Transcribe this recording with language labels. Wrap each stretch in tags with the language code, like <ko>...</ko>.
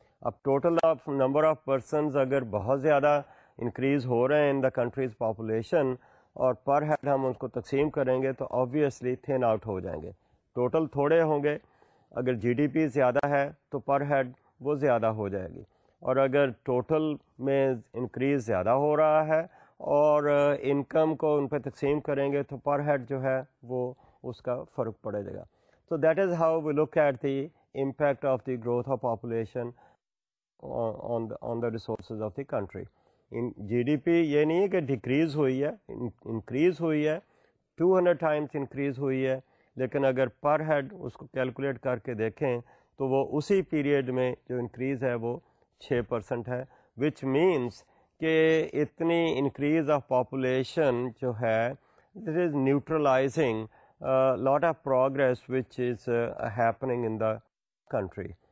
<ur>اب total number of persons اگر بہت زیادہ انکریز ہو رہے ہیں</ur> <en>in the countries population,</en> <ur>اور پر ہیڈ ہم اس کو تقسیم کریں گے تو آبویسلی تھن آؤٹ ہو جائیں گے، ٹوٹل تھوڑے ہوں گے. اگر جی ڈی پی زیادہ ہے تو پر ہیڈ وہ زیادہ ہو جائے گی، اور اگر ٹوٹل میں انکریز زیادہ ہو رہا ہے اور انکم کو ان پہ تقسیم کریں گے تو پر ہیڈ جو ہے وہ اس کا فرق پڑے گا.</ur> <en>تو that is how we look at the impact of the growth of population on the resources of the country.</en> <ur>In جی D P یہ نہیں ہے کہ ڈیکریز ہوئی ہے، انکریز ہوئی ہے، 200 times انکریز ہوئی ہے، لیکن اگر پر ہیڈ اس کو کیلکولیٹ کر کے دیکھیں تو وہ اسی پیریڈ میں جو انکریز ہے وہ 6% ہے، وچ مینس کہ اتنی انکریز آف پاپولیشن جو ہے</ur> <en>This is neutralising lot of progress which is happening in the country.</en>